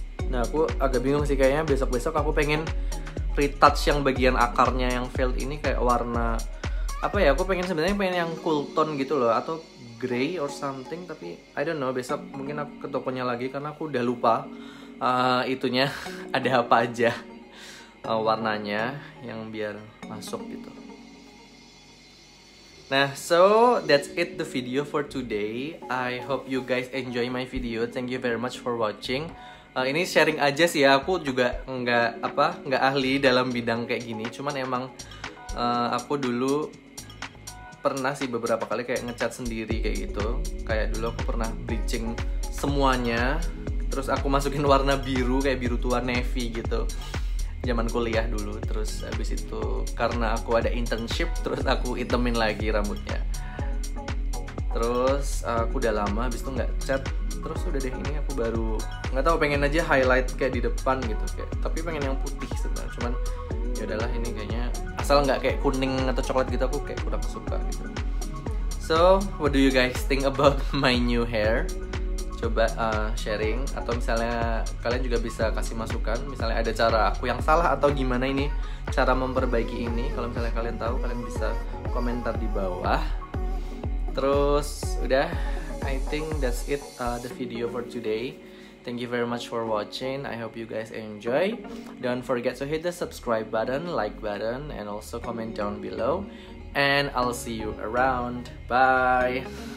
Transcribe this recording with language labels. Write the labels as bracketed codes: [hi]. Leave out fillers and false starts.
[id] Nah aku agak bingung sih, kayaknya besok-besok aku pengen retouch yang bagian akarnya yang failed ini, kayak warna apa ya, aku pengen sebenarnya pengen yang [en] cool tone [id] gitu loh, atau [en] grey or something. [id] Tapi [en] I don't know, [id] besok mungkin aku ke tokonya lagi karena aku udah lupa itunya ada apa aja warnanya yang biar masuk gitu. [en] Nah so that's it the video for today. I hope you guys enjoy my video. Thank you very much for watching. [id] Ini sharing aja sih ya, aku juga nggak ahli dalam bidang kayak gini. Cuman emang aku dulu pernah sih beberapa kali kayak ngecat sendiri kayak gitu. Kayak dulu aku pernah bleaching semuanya, terus aku masukin warna biru, kayak biru tua navy gitu, zaman kuliah dulu. Terus abis itu karena aku ada internship, terus aku itemin lagi rambutnya. Terus aku udah lama abis itu nggak cat, terus udah deh ini aku baru nggak tahu, pengen aja highlight kayak di depan gitu, kayak tapi pengen yang putih sebenarnya. Cuman ya udahlah, ini kayaknya asal nggak kayak kuning atau coklat gitu aku kayak kurang suka gitu. [en] So what do you guys think about my new hair? [id] Coba sharing, atau misalnya kalian juga bisa kasih masukan, misalnya ada cara aku yang salah atau gimana ini cara memperbaiki ini. Kalau misalnya kalian tahu, kalian bisa komentar di bawah. Terus udah, [en] I think that's it the video for today. Thank you very much for watching. I hope you guys enjoy. Don't forget to hit the subscribe button, like button, and also comment down below. And I'll see you around. Bye.